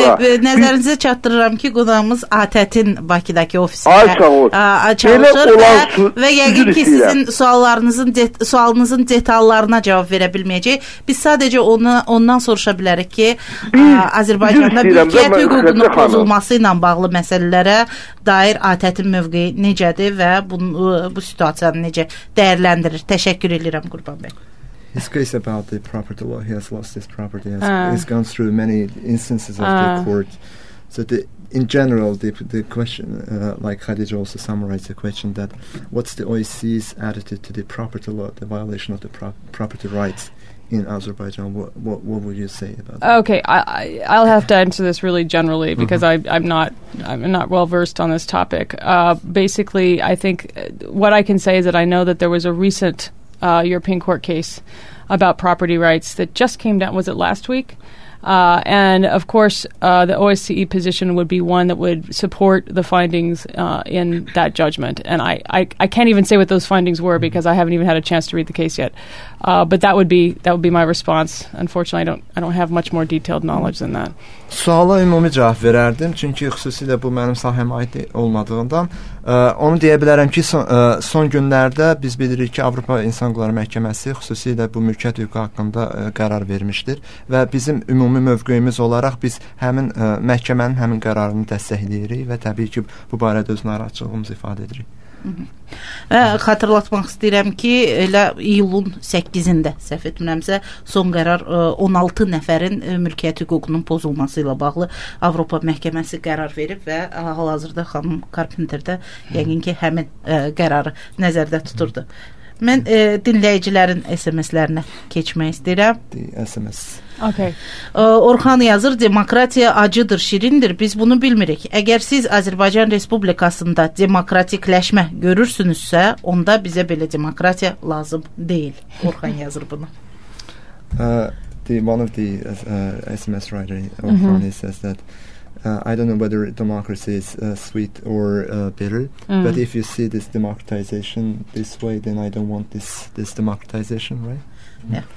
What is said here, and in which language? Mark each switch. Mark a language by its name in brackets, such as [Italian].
[Azerbaijani] Qurban Bey, nəzərinizi çatdırıram ki, qonağımız ATƏT-in Bakıdakı ofisində çalışır və yəqin ki, sizin sualınızın detallarına cavab verə bilməyəcək. Biz sadəcə ondan soruşa bilərik ki, Azərbaycanda mülkiyyət hüququnun pozulması ilə bağlı məsələlərə dair ATƏT-in mövqeyi necədir və bu situasiyanı necə dəyərləndirir? Təşəkkür edirəm, Qurban Bey. [English] His case about the property law, he has lost his property, he's gone through many instances of the court. So in general, the question, like Khadija also summarized the question, that what's the OEC's attitude to the property law, the violation of the property rights in Azerbaijan? What would you say about that? Okay, I'll have to answer this really generally because I'm not well versed on this topic. Basically, I think what I can say is that I know that there was a recent European court case about property rights that just came down. Was it last week? And of course, the OSCE position would be one that would support the findings in that judgment. And I can't even say what those findings were because I haven't even had a chance to read the case yet. But that would be my response. Unfortunately, I don't have much more detailed knowledge than that. [Azerbaijani] Suala ümumi cavab verərdim, çünki xüsusilə bu mənim sahəmə aid olmadığından. Onu deyə bilərəm ki, son günlərdə biz bilirik ki, Avropa İnsan Hüquqları Məhkəməsi xüsusilə bu mülkiyyət hüququ haqqında qərar vermişdir və bizim ümumi mövqeyimiz olaraq biz həmin məhkəmənin həmin qərarını dəstəkləyirik və təbii ki, bu barədə öz narahatçılığımızı ifadə edirik. Və xatırlatmaq istəyirəm ki, elə iyulun 8-də, səhv etmirəmsə, son qərar 16 nəfərin mülkiyyət hüququnun pozulması ilə bağlı Avropa Məhkəməsi qərar verib və hal-hazırda xanım Carpenter-də yəqin ki, həmin qərarı nəzərdə tuturdu. Mən dinləyicilərin SMS-lərinə keçmək istəyirəm. SMS. [English] Okay. [Azerbaijani] Orxan yazır, demokratiya acıdır, şirindir, biz bunu bilmirik. Əgər siz Azərbaycan Respublikasında demokratikləşmə görürsünüzsə, onda bizə belə demokratiya lazım deyil. Orxan yazır bunu. [English] One of the SMS writer, Orxan, says that I don't know whether democracy is sweet or bitter, but if you see this democratization this way, then I don't want this democratization, right? Yeah.